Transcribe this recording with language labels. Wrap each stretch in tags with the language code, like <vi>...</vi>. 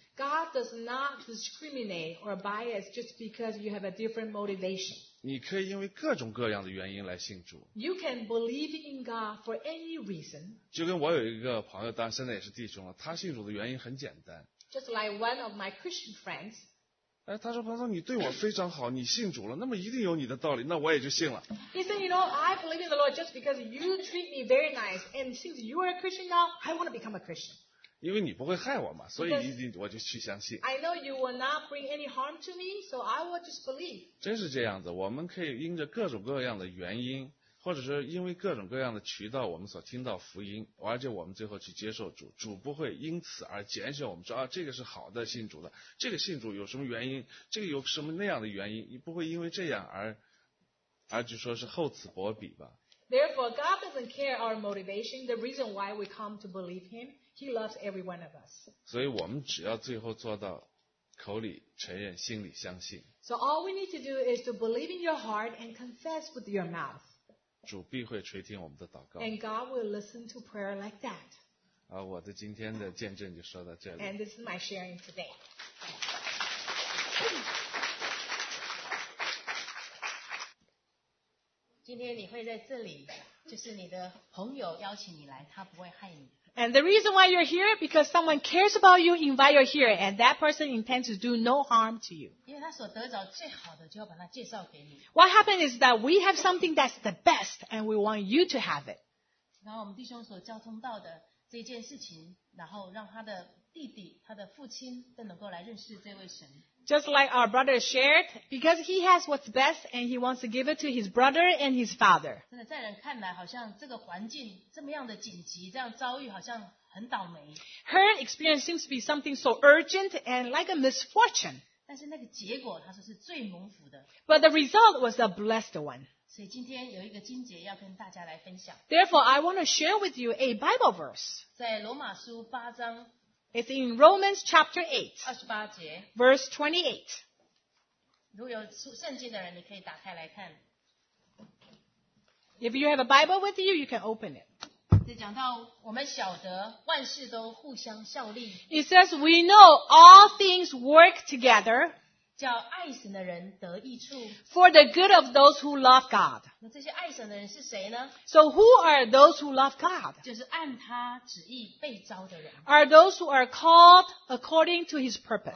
<en>God does not discriminate or bias just because you have a different motivation.</en> <zh>你可以因为各种各样的原因来信主</zh> <en>You can believe in God for any reason.</en> <zh>就跟我有一个朋友当现在也是弟兄了他信主的原因很简单</zh> <en>Just like one of my Christian friends.</en> <zh>哎，他说朋友你对我非常好你信主了那么一定有你的道理那我也就信了</zh> <en>He said you know I believe in the Lord just because you treat me very nice and since you are a Christian now I want to become a Christian</en> <zh>因为你不会害我嘛所以一定我就去相信</zh> <en>I know you will not bring any harm to me so I will just believe</en> <zh>真是这样子我们可以因着各种各样的原因或者说因为各种各样的渠道我们所听到福音而且我们最后去接受主主不会因此而拣选我们说啊，这个是好的信主的这个信主有什么原因这个有什么那样的原因你不会因为这样而就说是厚此薄彼吧</zh> <en>Therefore God doesn't care our motivation the reason why we come to believe him he loves every one of us</en> <zh>所以我们只要最后做到口里承认心里相信</zh> <en>So all we need to do is to believe in your heart and confess with your mouth</en> <zh>主必会垂听我们的祷告。</zh> <en>And God will listen to prayer like that.</en> <zh>啊，我的今天的见证就说到这里。</zh> <en>And this is my sharing today.</en> <zh>今天你会在这里，就是你的朋友邀请你来，他不会害你。</zh> <en>And the reason why you're here because someone cares about you, invite you here, and that person intends to do no harm to you.</en> <zh>因为他所得着最好的，就要把他介绍给你。</zh> <en>What happened is that we have something that's the best, and we want you to have it.</en> <zh>然后我们弟兄所交通到的这件事情，然后让他的弟弟、他的父亲都能够来认识这位神。</zh> <en>Just like our brother shared, because he has what's best and he wants to give it to his brother and his father.</en> <zh>真的在人看来好像这个环境这么样的紧急这样遭遇好像很倒霉。</zh> <en>Her experience seems to be something so urgent and like a misfortune.</en> <zh>但是那个结果他说是最蒙福的。</zh> <en>But the result was a blessed one.</en> <zh>所以今天有一个经节要跟大家来分享。</zh> <en>Therefore, I want to share with you a Bible verse.</en> <zh>在罗马书八章</zh> <en>It's in Romans chapter</en> <zh>8, 28节</zh> <en>verse 28.</en> <zh>如果有圣经的人，你可以打开来看。</zh> <en>If you have a Bible with you, you can open it.</en> <zh>这讲到我们晓得万事都互相效力。</zh> <en>It says we know all things work together.</en> <zh>叫爱神的人得益处。</zh> <en>For the good of those who love God.</en> <zh>那这些爱神的人是谁呢？</zh> <en>So who are those who love God?</en> <zh>就是按他旨意被召的人。</zh> <en>Are those who are called according to his purpose.</en>